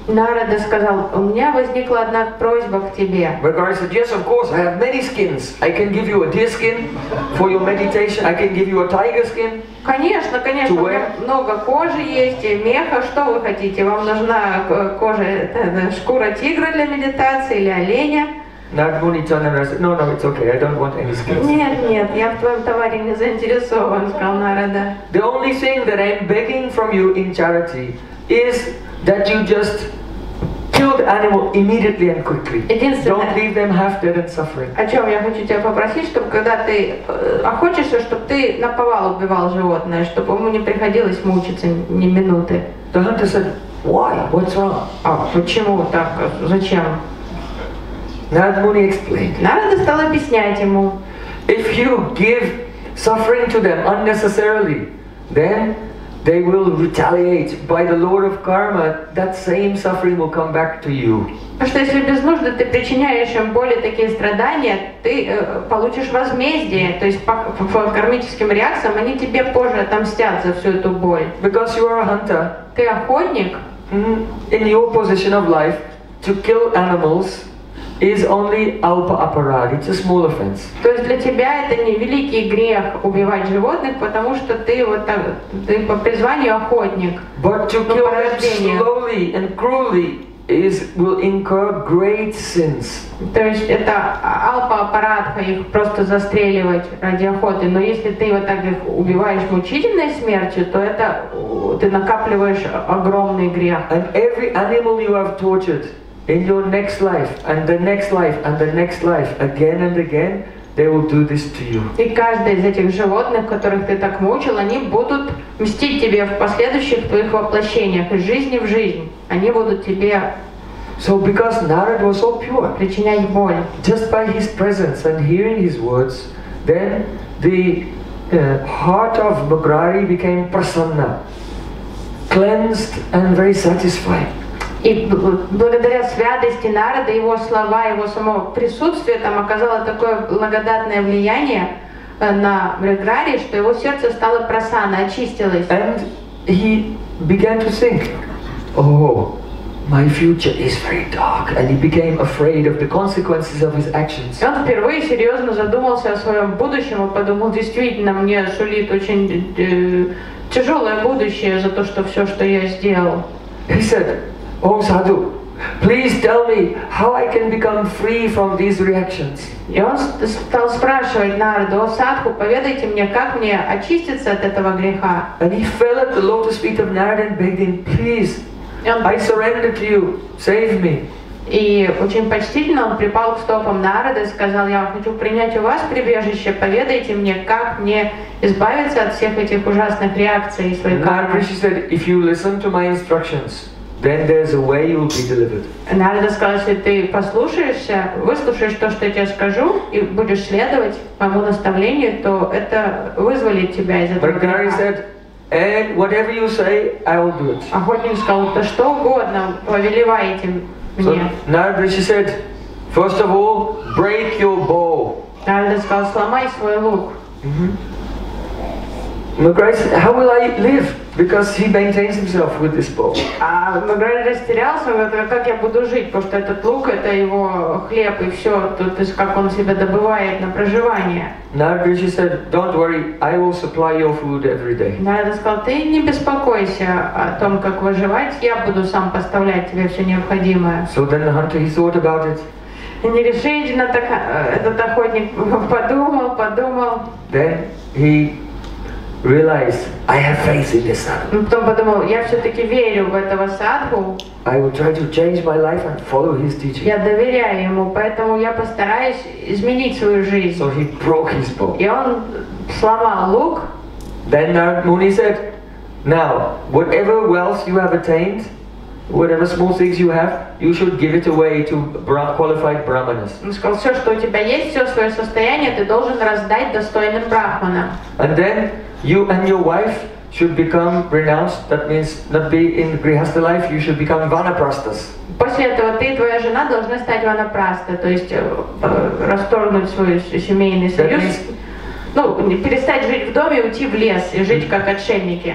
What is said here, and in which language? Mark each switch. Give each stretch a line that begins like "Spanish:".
Russian: Нарада сказал: "У меня возникла одна просьба к тебе."
English: Bhargava said, "Yes, of course. I have many skins. I can give you a deer skin for your meditation. I can give you a tiger skin."
Russian: Конечно, конечно. Много кожи есть, меха. Что вы хотите? Вам нужна кожа, шкура тигра для медитации или оленя?
English: Narad Muni turned around and said, no, it's okay, I don't want any skills.
Russian: Нет, нет, я в твоем товаре не заинтересован, сказал Нарада.
English: The only thing that I'm begging from you in charity is that you just kill the animal immediately and quickly. Don't leave them half dead and suffering.
Russian: О чем я хочу тебя попросить, чтобы когда ты охотишься, чтобы ты наповал убивал животное, чтобы ему не приходилось мучиться ни минуты.
English: The hunter said, why? What's wrong?
Russian: А почему так? Зачем?
English: Narad Muni explained.
Russian: Нарада стал объяснять ему.
English: If you give suffering to them unnecessarily, then they will retaliate by the Lord of Karma. That same suffering will come back to you.
Russian: Потому что если без нужды ты причиняешь им боли такие страдания, ты получишь возмездие. То есть по кармическим реакциям они тебе позже отомстят за всю эту боль.
English: Because you are a hunter.
Russian: Ты охотник.
English: In your position of life, to kill animals is only alpa aparad. It's a small offense.
Russian: То есть для тебя это не великий грех убивать животных, потому что ты вот так, ты по призванию охотник.
English: But to kill them slowly and cruelly will incur great sins.
Russian: То есть это alpa aparad, их просто застреливать ради охоты. Но если ты вот так их убиваешь мучительной смертью, то это ты накапливаешь огромный грех.
English: And every animal you have tortured in your next life, and the next life, and the next life, again and again, they will do this to you.
Russian: И каждое из этих животных, которых ты так мучил, они будут мстить тебе в последующих твоих воплощениях, из жизни в жизнь. Они будут тебе.
English: So because Narad was so pure,
Russian: причинять боль.
English: Just by his presence and hearing his words, then the heart of Bhagrari became prasanna, cleansed and very satisfied.
Russian: И благодаря святости Нарада, его слова, его само присутствие там оказало такое благодатное влияние на Бхаргаву, что его сердце стало просано, очистилось.
English: And he began to think, oh, my future is very dark, and he became afraid of the consequences of his actions.
Russian: Он впервые серьезно задумался о своем будущем и подумал, действительно, мне сулит очень тяжелое будущее за то, что все, что я сделал.
English: He said, oh, Sadhu, please tell me how I can become free from these reactions.
Russian: И он стал спрашивать Нараду, о Садху, поведайте мне, как мне очиститься от этого греха.
English: And he fell at the lotus feet of Narada and begged him, please, I surrender to you, save me.
Russian: И очень почтительно он припал к стопам Нарады и сказал, я хочу принять у вас прибежище, поведайте мне, как мне избавиться от всех этих ужасных реакций своих.
English: Narada said, if you listen to my instructions, then there's a way you will be delivered.
Russian: Нарада сказал, если ты послушаешься, выслушаешь то, что я тебе скажу, и будешь следовать моему наставлению, то это вызволит тебя из этого.
English: Bhargava said, and whatever you say, I will do it.
Russian: Охотник сказал, да что угодно, повелевай этим мне.
English: So Nārada said, first of all, break your bow.
Russian: Нарада сказал, сломай свой лук.
English: Bhargava said, how will I live? Because he maintains himself with this bow.
Russian: Bhargava растерялся, говорит, как я буду жить, потому что этот лук, это его хлеб и все, то есть как он себя добывает на проживание.
English: Narada said, don't worry, I will supply your food every day.
Russian: Narada сказал, ты не беспокойся о том, как выживать, я буду сам поставлять тебе все необходимое.
English: So then the hunter, he thought about it.
Russian: Нерешительно так этот охотник подумал, подумал.
English: Then he realize, I have faith in this sadhu.
Russian: Потом подумал, я все-таки верю в этого садху.
English: I will try to change my life and follow his teaching.
Russian: Я доверяю ему, поэтому я постараюсь изменить свою жизнь.
English: So he broke his bow.
Russian: И он сломал лук.
English: Then Narad Muni said, now, whatever wealth you have attained, whatever small things you have, you should give it away to qualified brahmanas.
Russian: Он сказал, все, что у тебя есть, все свое состояние, ты должен раздать достойным брахманам.
English: And then you and your wife should become renounced. That means not be in grihastha life. You should become vanaprastas.
Russian: После этого ты и твоя жена должны стать ванапрастой, то есть расторгнуть свой семейный союз.
English: That
Russian: ну, перестать жить в доме, уйти в лес и жить как отшельники.